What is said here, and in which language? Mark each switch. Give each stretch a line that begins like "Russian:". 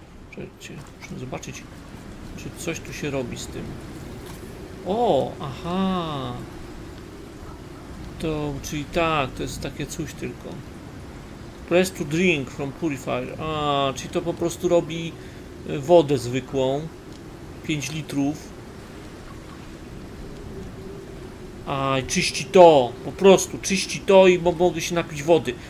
Polish: Czekajcie, muszę zobaczyć, czy coś tu się robi z tym. O, aha. To, czyli tak, to jest takie coś tylko.
English: Press to drink from purifier.
Polish: A, czyli to po prostu robi wodę zwykłą. 5 litrów. A, czyści to. Po prostu czyści to i mogę się napić wody.